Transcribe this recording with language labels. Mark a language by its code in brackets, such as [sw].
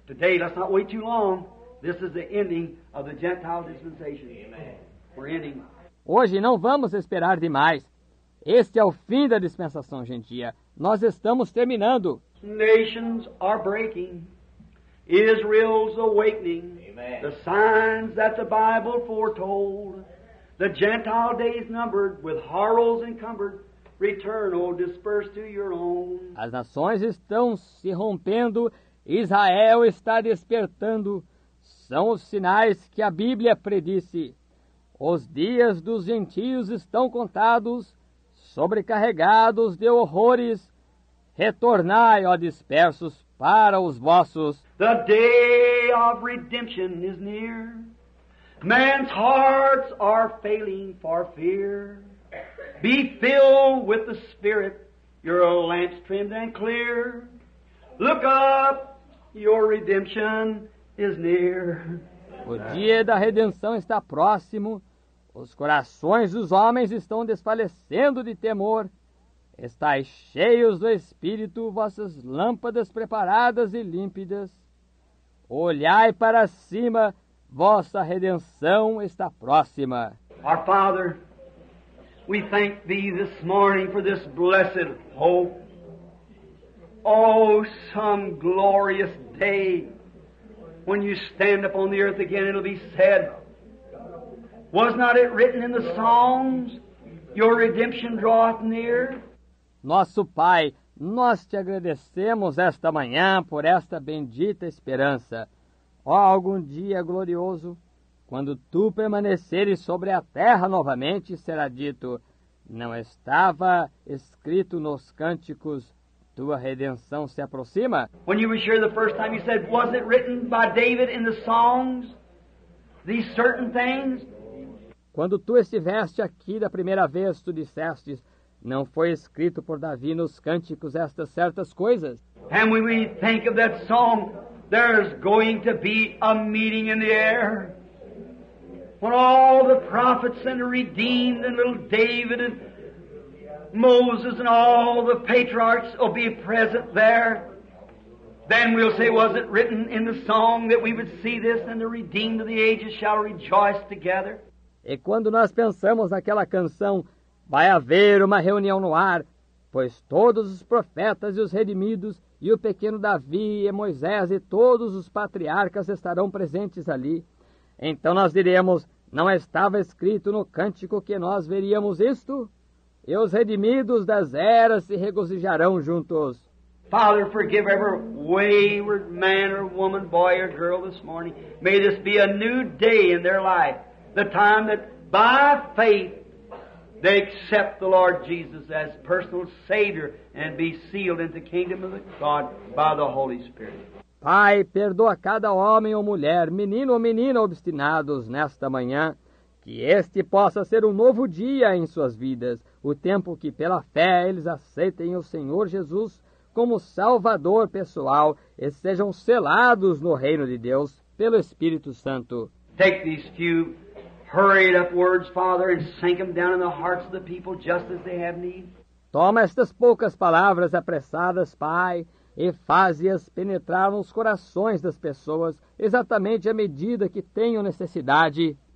[en] Today, let's not wait too long. This is the ending of the Gentile dispensation. Amen. We're ending. [pt] Hoje não vamos esperar demais. Este é o fim da dispensação gentia. Nós estamos terminando. [en] Nations are breaking. Israel's awakening. Amen. The signs that the Bible foretold. The Gentile days numbered with horrors encumbered. Return, O disperse to your own. [pt] As nações estão se rompendo, Israel está despertando. São os sinais que a Bíblia predisse. Os dias dos gentios estão contados, sobrecarregados de horrores. Retornai, ó dispersos, para os vossos. [en] The day of redemption is near. Man's hearts are failing for fear. Be filled with the Spirit, your lamps trimmed and clear. Look up, your redemption is near. [pt] O dia da redenção está próximo. Os corações dos homens estão desfalecendo de temor. Estais cheios do Espírito, vossas lâmpadas preparadas e límpidas. Olhai para cima, vossa redenção está próxima. [en] Our Father, we thank Thee this morning for this blessed hope. Oh, some glorious day when You stand upon the earth again, it'll be said, was not it written in the Psalms, Your redemption draweth near? [pt] Nosso Pai, nós Te agradecemos esta manhã por esta bendita esperança. Oh, algum dia glorioso, quando Tu permaneceres sobre a terra novamente, será dito, não estava escrito nos cânticos, Tua redenção se aproxima? [en] When you were sure the first time, you said, was it written by David in the songs, these certain things? [pt] Quando Tu estiveste aqui da primeira vez, Tu disseste, não foi escrito por Davi nos cânticos estas certas coisas? [en] And when we think of that song, there's going to be a meeting in the air. When all the prophets and the redeemed and little David and Moses and all the patriarchs will be present there, then we'll say, was it written in the song that we would see this and the redeemed of the ages shall rejoice together? [pt] E quando nós pensamos naquela canção, vai haver uma reunião no ar, pois todos os profetas e os redimidos e o pequeno Davi e Moisés e todos os patriarcas estarão presentes ali. Então nós diremos, não estava escrito no cântico que nós veríamos isto? E os redimidos das eras se regozijarão juntos. [en] Father, forgive every wayward man or woman, boy or girl this morning. May this be a new day in their life. The time that by faith They accept the Lord Jesus as personal Savior and be sealed into the kingdom of God by the Holy Spirit. [pt] Pai, perdoa cada homem ou mulher, menino ou menina obstinados nesta manhã, que este possa ser um novo dia em suas vidas, o tempo que pela fé eles aceitem o Senhor Jesus como Salvador pessoal e sejam selados no reino de Deus pelo Espírito Santo. [en] Take these few hurried up words, Father, and sink them down in the hearts of the people just as they have need. [pt] Toma estas poucas palavras apressadas, Pai, e faze-as penetrar nos corações das pessoas exatamente à medida que tenham necessidade.